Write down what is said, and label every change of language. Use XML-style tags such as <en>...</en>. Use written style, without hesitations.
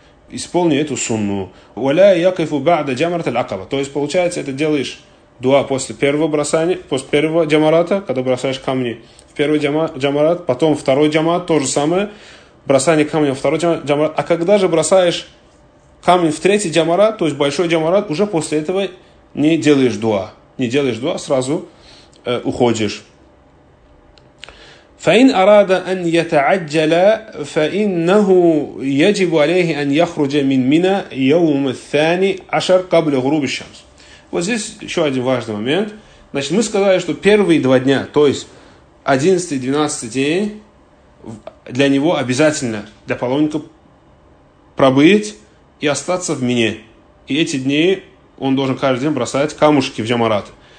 <ru>Исполни эту сунну. То есть, получается, это делаешь дуа после первого бросания, после первого джамарата, когда бросаешь камни в первый джамарат, потом второй джамарат, то же самое, бросание камня во второй джамарат. А когда же бросаешь камень в третий джамарат, то есть большой джамарат, уже после этого не делаешь дуа. Не делаешь дуа, сразу уходишь.</ru> <ar>فإن أراد أن يتعجل فإنه يجب عليه أن يخرج من منى يوم الثاني عشر قبل غروب الشمس.</ar> <ru>Вот здесь еще один важный момент. Значит, мы сказали, что первые два дня, то есть 11 и 12 день, для него обязательно, для паломника, пробыть и остаться в мине. И эти дни он должен каждый день бросать камушки в джамараты.</ru>